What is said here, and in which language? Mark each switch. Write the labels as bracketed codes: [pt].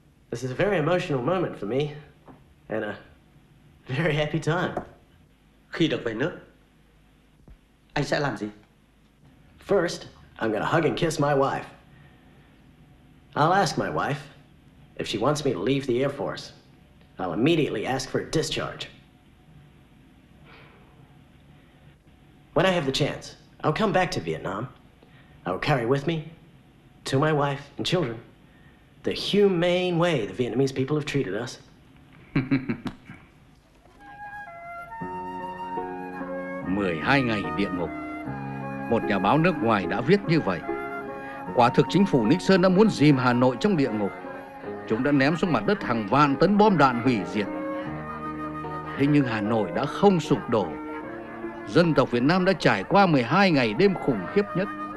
[en] This is a very emotional moment for me, and a very happy time. [vi] Khi được về nước, anh sẽ làm gì? [en] First, I'm gonna hug and kiss my wife. I'll ask my wife if she wants me to leave the Air Force. I'll immediately ask for a discharge. When I have the chance, I'll come back to Vietnam. I will carry with me, to my wife and children, the humane way the Vietnamese people have treated us. [vi] Mười hai ngày địa ngục. Một nhà báo nước ngoài đã viết như vậy. Quả thực chính phủ Nixon đã muốn dìm Hà Nội trong địa ngục. Chúng đã ném xuống mặt đất hàng vạn tấn bom đạn hủy diệt. Thế nhưng Hà Nội đã không sụp đổ. Dân tộc Việt Nam đã trải qua 12 ngày đêm khủng khiếp nhất.